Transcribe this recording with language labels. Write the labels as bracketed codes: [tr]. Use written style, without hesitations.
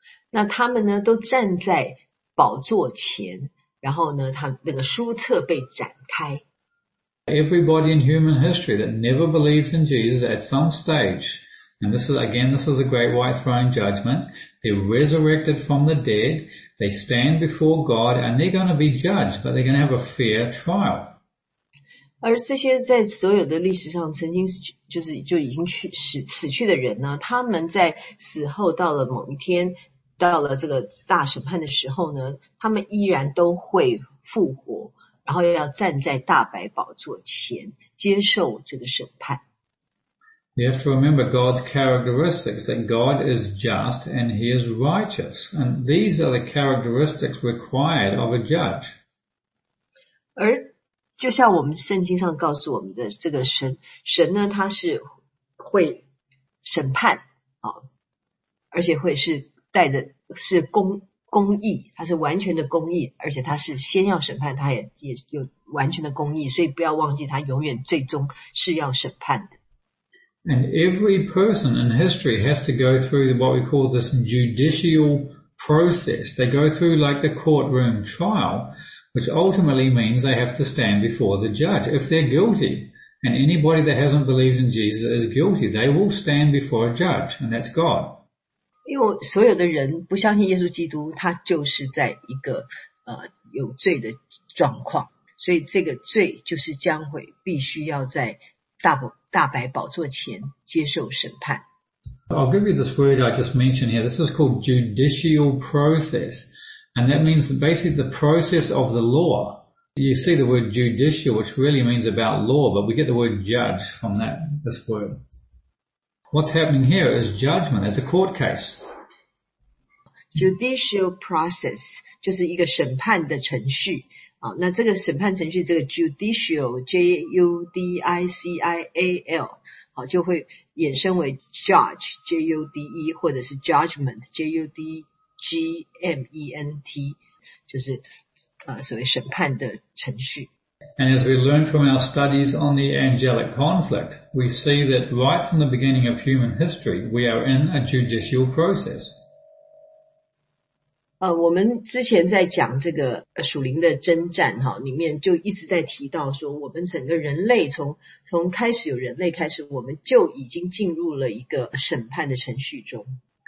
[zh] 那他们呢都站在宝座前，然后呢他那个书册被展开。 [en] Everybody in human history that never believed in Jesus at some stage, and this is a great white throne judgment, they're resurrected from the dead, they stand before God, and they're going to be judged, but they're going to have a fair trial. [zh] 而这些在所有的历史上曾经就已经死去的人呢，他们在死后到了某一天到了这个大审判的时候呢，他们依然都会复活，然后要站在大白宝座前接受这个审判。 [en] You have to remember God's characteristics, that God is just and he is righteous. And these are the characteristics required of a judge. [zh] 而就像我们圣经上告诉我们的这个神，神呢他是会审判，而且会是带的是公义，他是完全的公义，而且他是先要审判，他也有完全的公义，所以不要忘记他永远最终是要审判的。 [en] And every person in history has to go through what we call this judicial process. They go through like the courtroom trial, which ultimately means they have to stand before the judge if they're guilty. And anybody that hasn't believed in Jesus is guilty. They will stand before a judge, and that's God. [zh] 因为所有的人不相信耶稣基督，他就是在一个有罪的状况，所以这个罪就是将会必须要在大白宝座前接受审判。 [en] I'll give you this word I just mentioned here. This is called judicial process, and that means basically the process of the law. You see the word judicial, which really means about law, but we get the word judge from that, this word. What's happening here is judgment, it's a court case. [zh] Judicial process, 就是一个审判的程序。那这个审判程序，这个 judicial, J-U-D-I-C-I-A-L, 就会衍生为 judge, J-U-D-E, 或者是 judgment, J-U-D-G-M-E-N-T, 就是所谓审判的程序。 [en] And as we learn from our studies on the angelic conflict, we see that right from the beginning of human history, we are in a judicial process. [zh] 我们之前在讲这个属灵的征战里面就一直在提到说，我们整个人类从开始有人类开始，我们就已经进入了一个审判的程序中。